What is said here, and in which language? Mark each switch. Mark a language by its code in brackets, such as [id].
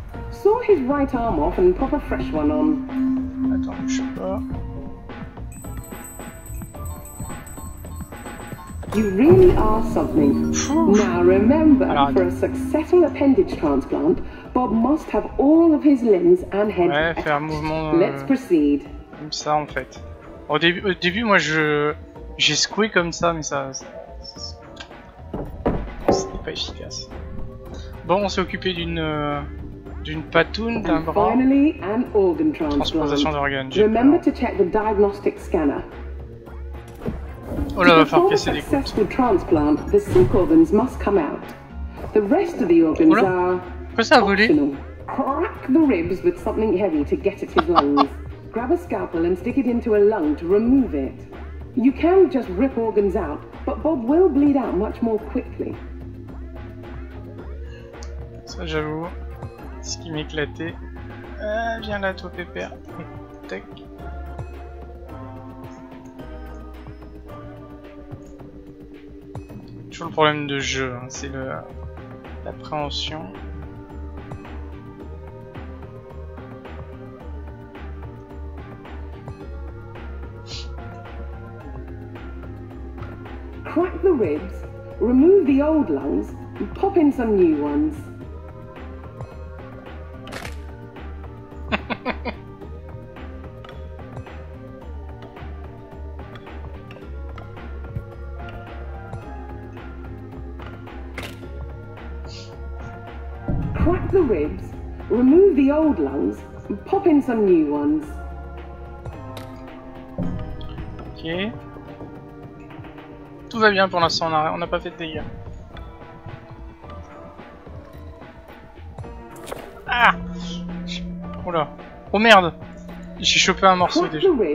[en] Saw his right arm off and pop a fresh one on. [fr] Attends, je sais pas. [en] You really are something. Now remember, alors, for a successful appendage transplant, Bob must have all of his limbs and head. [fr] Ouais, faire un mouvement. [en] Let's proceed. [fr] Comme ça, en fait. Au début, moi, j'ai secoué comme ça, mais c'était pas efficace. Bon, on s'est occupé d'une patoune, d'un bras. [en] Finally, an organ transplant. [fr] Transplantation d'organes. [en] Remember to check the diagnostic scanner. [fr] Oh là, va falloir casser des côtes. [en] Successful transplant, the sick organs must come out. The rest of the organs are. [fr] Quoi, ça a volé? [en] Crack the ribs with something heavy to get at his lungs. Grab a scalpel and stick it into a lung to remove it. You can just rip organs out, but Bob will bleed out much more quickly. [fr] Ça, j'avoue, ce qui m'éclatait. Viens là, toi, pépère. Tac. Toujours le problème de jeu, hein, c'est l'appréhension. [en] Crack the ribs, remove the old lungs, and pop in some new ones. Crack the ribs, remove the old lungs, and pop in some new ones. Okay. [fr] Tout va bien pour l'instant, on n'a pas fait de dégâts. Ah! Oula! Oh merde! J'ai chopé un morceau déjà.